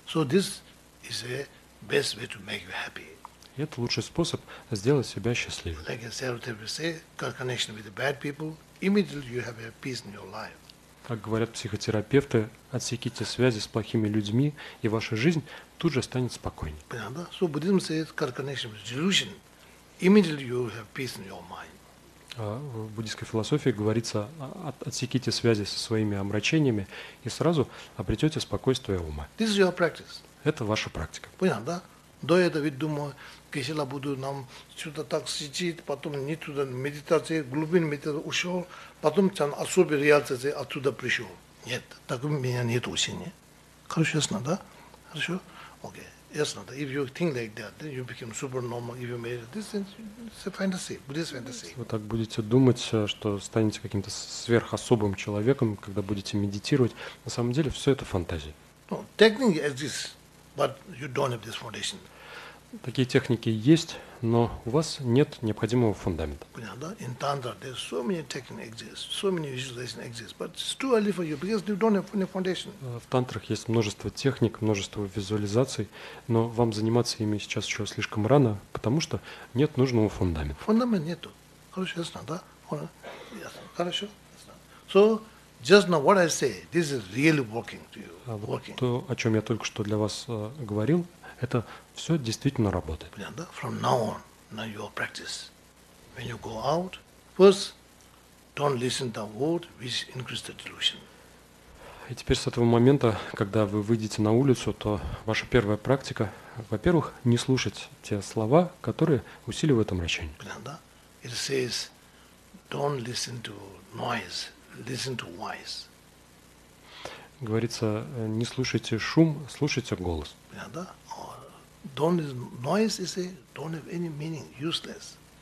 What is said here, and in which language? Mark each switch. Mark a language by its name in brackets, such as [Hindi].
[English] So this is the best way to make you happy. [Russian] И это лучший способ сделать себя счастливым. [English] Like a self-therapist say, cut connection with the bad people, immediately you have a peace in your life. [Russian] Как говорят психотерапевты, отсеките связи с плохими людьми, и ваша жизнь тут же станет спокойнее. Понятно? [English] So Buddhism says, cut connection with delusion, immediately you have peace in your mind. [Russian] В буддийской философии говорится, отсеките связи со своими омрачениями, и сразу обретете спокойствие ума. [English] This is your practice. [Russian] Это ваша практика. Понятно, да? До этого ведь думаю, кисела буду нам сюда так сидеть, потом не туда медитации, глубинный медитации ушел, потом там особый реальность оттуда пришел. Нет, так у меня нет усилий. Хорошо, ясно, да? Хорошо? Окей, ясно, да? [English] If you think like that, then you become supernormal, if you made this, then it's a fantasy, Buddhist fantasy. [Russian] Вы так будете думать, что станете каким-то сверхособым человеком, когда будете медитировать. На самом деле все это фантазии. [English] No, technique exists, but you don't have this foundation. [Russian] Такие техники есть, но у вас нет необходимого фундамента. Понятно, да? [English] In tantra there's so many techniques exist, so many visualizations exist, but it's too early for you because you don't have any foundation. [Russian] В тантрах есть множество техник, множество визуализаций, но вам заниматься ими сейчас еще слишком рано, потому что нет нужного фундамента. Фундамент нету. Хорошо, ясно, да? Хорошо, ясно. [English] So just now what I say, this is really working to you. Working. [Russian] То, о чем я только что для вас говорил, это все действительно работает. Понятно? [English] From now on, now you are practice. When you go out, first, don't listen to word which increase the delusion. [Russian] И теперь с этого момента, когда вы выйдете на улицу, то ваша первая практика, во-первых, не слушать те слова, которые усиливают омрачение. Понятно? [English] It says, don't listen to noise, listen to voice. [Russian] Говорится, не слушайте шум, слушайте голос. Понятно? [English] Don't is noise is a don't have any meaning, useless.